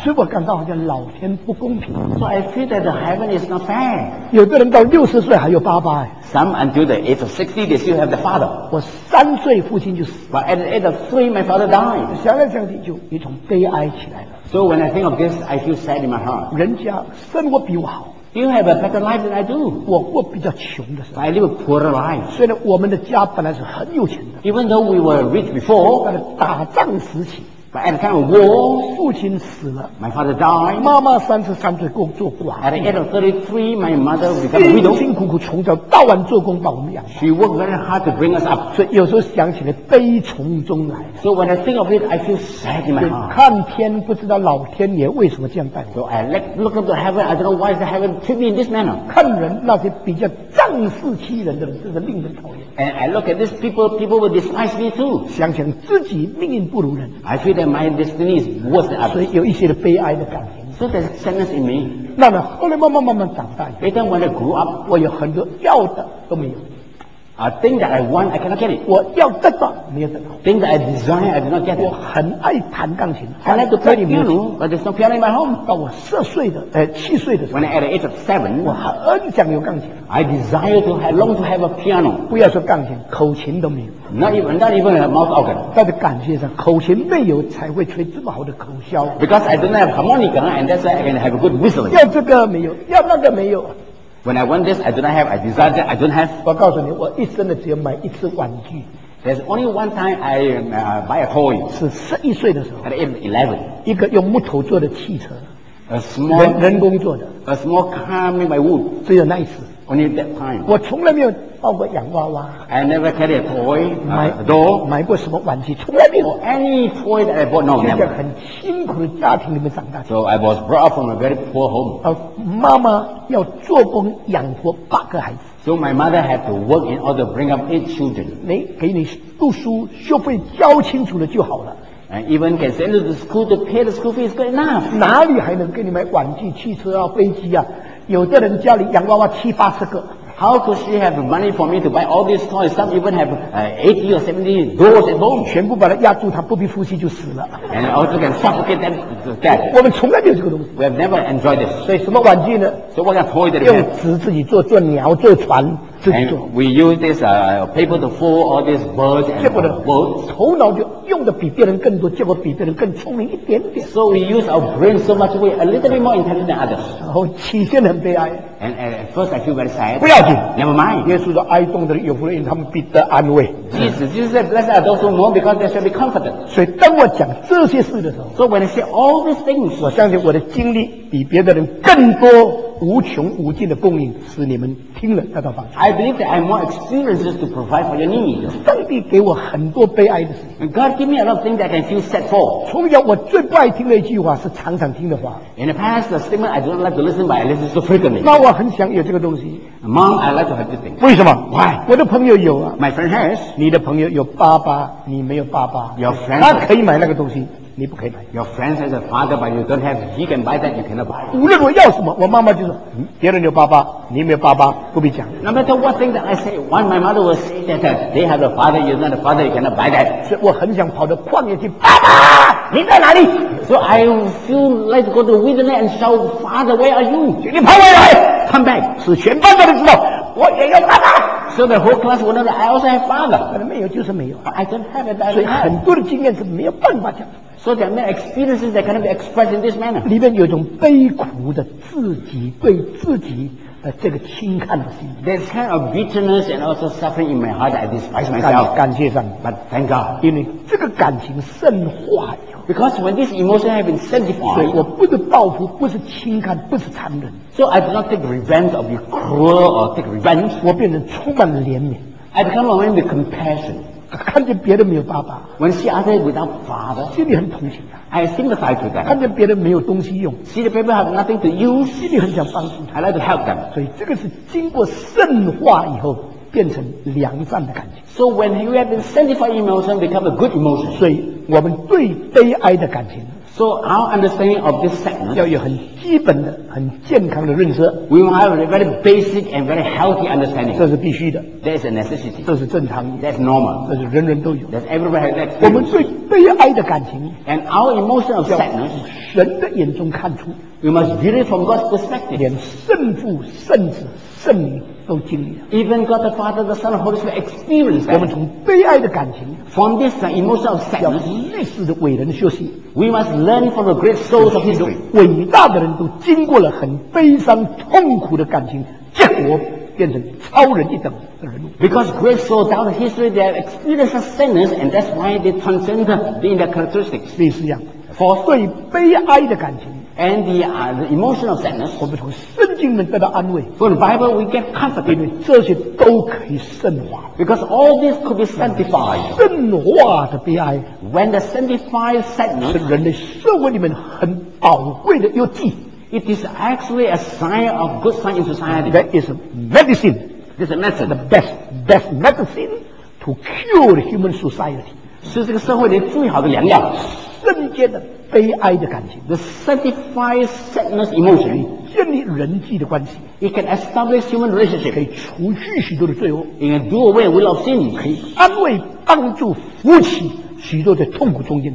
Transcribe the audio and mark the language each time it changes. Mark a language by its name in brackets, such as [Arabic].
[Chinese] 所以我感到好像老天不公平。 [English] So I feel that the heaven is not fair. [Chinese] 有的人到六十岁还有爸爸。 [English] Some until the age of 60 they still have the father. [Chinese] 我三岁父亲就死。 [English] But at the age of 3 my father died. [Chinese] 想来想去就一种悲哀起来了。 [English] So when I think of this, I feel sad in my heart. [Chinese] 人家生活比我好。 [English] You have a better life than I do. [Chinese] 我过比较穷的时候。 [English] I live a poorer life. [Chinese] 虽然我们的家本来是很有钱的。 [English] Even though we were rich before. [Chinese] 但是打仗时期。 [English] But at the time of war. [Chinese] 父亲死了。 [English] My father died. [Chinese] 妈妈33岁工作寡。 [English] At the age of 33, my mother became a widow. [Chinese] 辛辛苦苦从早到晚做工把我们养。 [English] She worked very hard to bring us up. [Chinese] 所以有时候想起来悲从中来。 [English] So when I think of it, I feel sad in my heart. [Chinese] 看天不知道老天爷为什么这样待我。 [English] So I look up to heaven, I don't know why the heaven treat me in this manner. [Chinese] 看人那些比较仗势欺人的人，真是令人讨厌。 [English] And I look at these people will despise me too. [Chinese] 想想自己命运不如人。 [English] I feel that my destiny is worse than others. [Chinese] 所以有一些的悲哀的感情。 [English] So there's sadness in me. [Chinese] 那么后来慢慢长大。 [English] But then when I grew up, [Chinese] 我有很多要的都没有。 [English] A thing that I want, I cannot get it. [Chinese] 我要得到没有得到。 [English] Thing that I desire, I do not get it. [Chinese] 我很爱弹钢琴。 [English] I like to play piano, but there's no piano in my home. [Chinese] 到我七岁的时候。 [English] When I at the age of 7, [Chinese] 我很想有钢琴。 [English] I desire to have, long to have a piano. [Chinese] 不要说钢琴，口琴都没有。 [English] Not even a mouth organ. [Chinese] 但是感谢上，口琴没有才会吹这么好的口箫。 [English] Because I don't have harmonica, and that's why I can have a good whistling. [Chinese] 要这个没有，要那个没有。 [English] When I want this, I do not have. I desire that, I don't have. [Chinese] 我告诉你，我一生的只有买一次玩具。 [English] There's only one time I buy a toy. [Chinese] 是11岁的时候。 [English] At age 11. [Chinese] 一个用木头做的汽车。 [English] A small [Chinese] 人工做的。 [English] A small car made by wood. [Chinese] 只有那一次。 [English] Only that time. [Chinese] 我从来没有抱过洋娃娃。 [English] I never carry a toy. A doll. [Chinese] 买过什么玩具？从来没有。 [English] Or any toy that I bought? No, never. [Chinese] 在很辛苦的家庭里面长大。 [English] So I was brought up from a very poor home. [Chinese] 妈妈要做工养活八个孩子。 [English] So my mother had to work in order to bring up 8 children. [Chinese] 没给你读书学费交清楚了就好了。 [English] And even can send to the school to pay the school fee is good enough. [Chinese] 哪里还能给你买玩具、汽车啊、飞机啊？有的人家里洋娃娃七八十个。 [English] How could she have money for me to buy all these toys? Some even have 80 or 70 dolls at home. [Chinese] 全部把它压住，他不必呼吸就死了。 [English] And also can suffocate them to death. [Chinese] 我们从来没有这个东西。 [English] We have never enjoyed this. [Chinese] 所以什么玩具呢？ [English] So what kind of toy that we have? [Chinese] 用纸自己做，做鸟，做船，自己做。 [English] And we use this paper to fold all these birds and boats. [Chinese] 结果呢，头脑就用的比别人更多，结果比别人更聪明一点点。 [English] So we use our brain so much, we a little bit more intelligent than others. [Chinese] 然后起先很悲哀。 [English] And at first I feel very sad. [Chinese] 不要紧 [English] ，Never mind. [Chinese] 耶稣说，哀痛的人有福了，因为他们必得安慰。 [English] Jesus said, blessed are those who mourn because they shall be comforted. [Chinese] 所以当我讲这些事的时候 [English] ，So when I say all these things, [Chinese] 我相信我的经历比别的人更多。无穷无尽的供应使你们听了得到帮助。 [English] I believe that I have more experiences to provide for your needs. [Chinese] 上帝给我很多悲哀的事情。 [English] God give me a lot of things that I can feel sad for. [Chinese] 从小我最不爱听的一句话是常常听的话。 [English] In the past, the statement I don't like to listen, but I listen so frequently. [Chinese] 那我很想有这个东西。 [English] Mom, I like to have this thing. [Chinese] 为什么 [English] ？Why? [Chinese] 我的朋友有啊。 [English] My friend has. [Chinese] 你的朋友有爸爸，你没有爸爸。 [English] Your friend. [Chinese] 他可以买那个东西。你不可以买。 [English] Your friend has a father, but you don't have. He can buy that, you cannot buy. [Chinese] 无论我要什么，我妈妈就说，别人有爸爸，你没有爸爸，不必讲。 [English] No matter what thing that I say, one my mother will say that they have a father, you don't have a father, you cannot buy that. [Chinese] 所以我很想跑到旷野去，爸爸，你在哪里 [English] ？So I feel like to go to the wilderness and shout, Father, where are you? [Chinese] 你跑回来 [English] ，Come back. [Chinese] 使全班都知道，我也有爸爸。 [English] So the whole class will know that I also have father. [Chinese] 可能没有就是没有。 [English] But I don't have it. [Chinese] 所以很多的经验是没有办法讲。 [English] So there are many experiences that cannot be expressed in this manner. [Chinese] 里面有一种悲苦的自己对自己的这个轻看的心。 [English] There's kind of bitterness and also suffering in my heart that I despise myself. [Chinese] 感谢上帝 [English] But thank God. [Chinese] 因为这个感情深化了。 [English] Because when this emotion has been sanctified. [Chinese] 所以我不是报复，不是轻看，不是残忍。 [English] So I do not take revenge or be cruel or take revenge. [Chinese] 我变成充满了怜悯。 [English] I become a man with compassion. [Chinese] 看见别人没有爸爸 [English] ，when she other without father， [Chinese] 心里很同情 [English] 啊。I sympathize with them。 [Chinese] 看见别人没有东西用 [English] ，see the people have nothing to use， [Chinese] 心里很想帮助。 [English] I like to help them。 [Chinese] 所以这个是经过圣化以后变成良善的感情。 [English] So when you have been sanctified emotion become a good emotion。 [Chinese] 所以我们对悲哀的感情。 [English] So our understanding of this sadness [Chinese] 要有很基本的、很健康的认识。 [English] We will have a very basic and very healthy understanding. [Chinese] 这是必须的。 [English] That's a necessity. [Chinese] 这是正常。 [English] That's normal. [Chinese] 这是人人都有。 [English] That's everybody has that. [Chinese] 我们对悲哀的感情 [English] ，and our emotion of sadness， [Chinese] 神的眼中看出。 [English] We must view it from God's perspective. [Chinese] 连圣父、圣子、圣灵都经历了。 [English] Even God the Father, the Son, the Holy Spirit experienced. [Chinese] 我们从悲哀的感情 [English] ，from this emotion of sadness， [Chinese] 要历史的伟人学习。 [English] We must learn from the great souls of history. [Chinese] 伟大的人都经过了很悲伤、痛苦的感情，结果变成超人一等的人物。 [English] Because great souls throughout history, they have experienced sadness, and that's why they transcended in their characteristics. [Chinese] 历史一样。 [English] For [Chinese] 对悲哀的感情 [English] and the emotion of sadness, [Chinese] 我们从圣经里面得到安慰。 [English] From the Bible, we get comfort. [Chinese] 因为这些都可以圣化。 [English] Because all this could be sanctified. [Chinese] 圣化的悲哀 [English] when the sanctified sadness, [Chinese] 是人类社会里面很宝贵的药剂。 [English] It is actually a sign of good sign in society. That is medicine. This is a medicine. The best medicine to cure the human society. [Chinese] 是这个社会里最好的良药。圣洁的悲哀的感情 [English] the sanctified sadness emotion [Chinese] 建立人际的关系 [English] it can establish human relationship [Chinese] 可以除去许多的罪恶 [English] it can do away with our sin [Chinese] 可以安慰帮助扶起许多的痛苦中间